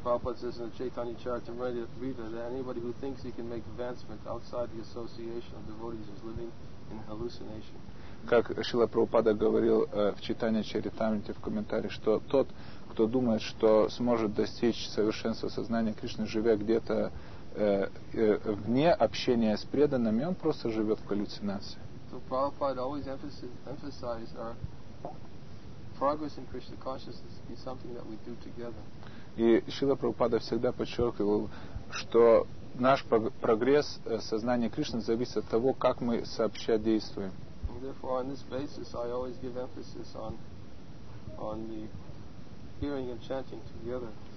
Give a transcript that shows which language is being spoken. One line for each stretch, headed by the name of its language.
English: Prabhupada says in the Chaitanya Charitamrita that anybody who thinks he can make advancement outside the association of devotees is living in hallucination.
Russian: Как Шрила Прабхупада говорил в Чайтанья Чаритамрите в комментарии, что тот, кто думает, что сможет достичь совершенства сознания Кришны, живя где-то вне общения с преданными, он просто живет в галлюцинации.
English: So Prabhupada always emphasized our progress in Krishna consciousness is something that we do together.
Russian: И Шрила Прабхупада всегда подчеркивал, что наш прогресс сознания Кришны зависит от того, как мы сообща действуем.
English: And therefore, on this basis, I always give emphasis on the hearing and chanting together.